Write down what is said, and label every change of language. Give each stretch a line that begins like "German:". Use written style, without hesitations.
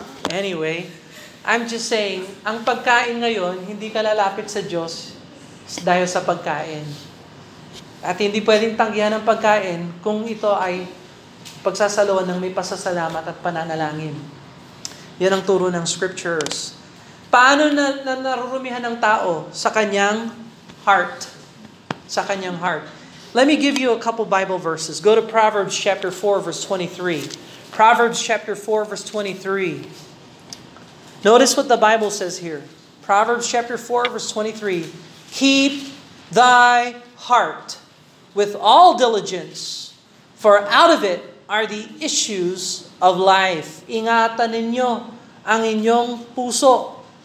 English: Anyway, I'm just saying,
Filipino: ang pagkain ngayon, hindi ka lalapit sa Diyos dahil sa pagkain. At hindi pwedeng tanggihan ang pagkain kung ito ay pagsasaluan ng may pasasalamat at pananalangin. Yan ang turo ng scriptures. Paano na narurumihan ng tao sa kanyang heart? Sa kanyang heart.
English: Let me give you a couple Bible verses. Go to Proverbs chapter 4, verse 23. Proverbs chapter 4, verse 23. Notice what the Bible says here. Proverbs chapter 4, verse 23. Keep thy heart with all diligence, for out of it are the issues of life.
Filipino: Ingatan ninyo ang inyong puso.